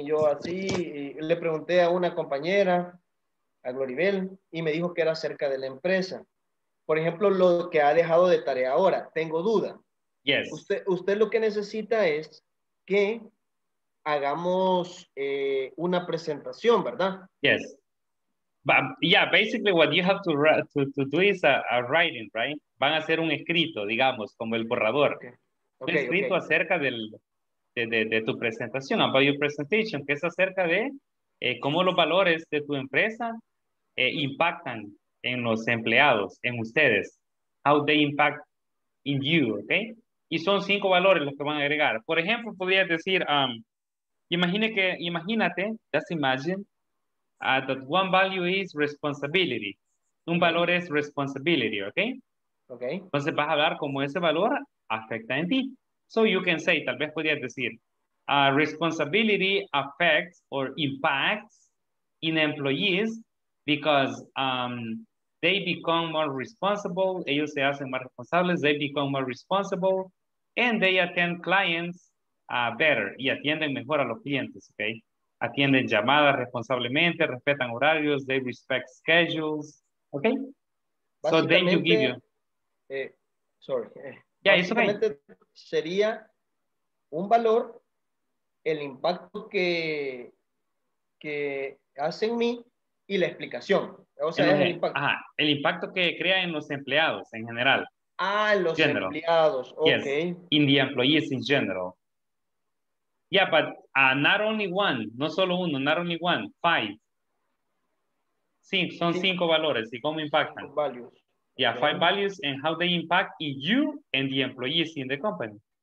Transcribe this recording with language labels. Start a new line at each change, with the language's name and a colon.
Spanish: Y yo así, y le pregunté a una compañera, a Gloribel, y me dijo que era acerca de la empresa. Por ejemplo, lo que ha dejado de tarea ahora, tengo duda.
English: Yes.
Spanish: Usted lo que necesita es que hagamos una presentación, ¿verdad?
English: Yes. But, yeah, basically what you have to do is a writing, right?
Spanish: Van a hacer un escrito, digamos, como el borrador.
English: Okay.
Spanish: Un escrito acerca de tu presentación,
English: about your presentation,
Spanish: que es acerca de cómo los valores de tu empresa impactan en los empleados, en ustedes.
English: How they impact in you, okay?
Spanish: Y son 5 valores los que van a agregar. Por ejemplo, podrías decir, imagínate,
English: just imagine,
Spanish: that one value is responsibility. Un valor es responsibility, okay?
English: Okay.
Spanish: Entonces vas a hablar cómo ese valor afecta en ti.
English: So you can say,
Spanish: tal vez podrías decir,
English: responsibility affects or impacts in employees because they become more responsible.
Spanish: Ellos se hacen más responsables,
English: they become more responsible and they attend clients better.
Spanish: Y atienden mejor a los clientes, okay? Atienden llamadas responsablemente, respetan horarios,
English: they respect schedules,
Spanish: okay?
English: So then you give you. Sorry. Yeah, it's okay.
Spanish: Sería un valor el impacto que hace en mí y la explicación. O sea, el impacto. Ajá, el impacto que crea en los empleados en general. Ah, los general. Empleados, okay.
English: Yes. In the employees in general. Yeah, but not only one,
Spanish: no solo uno,
English: not only one, 5.
Spanish: Sí, son 5 valores y cómo impactan. 5
English: values. Yeah, okay. 5 values and how they impact in you and the employees in the company.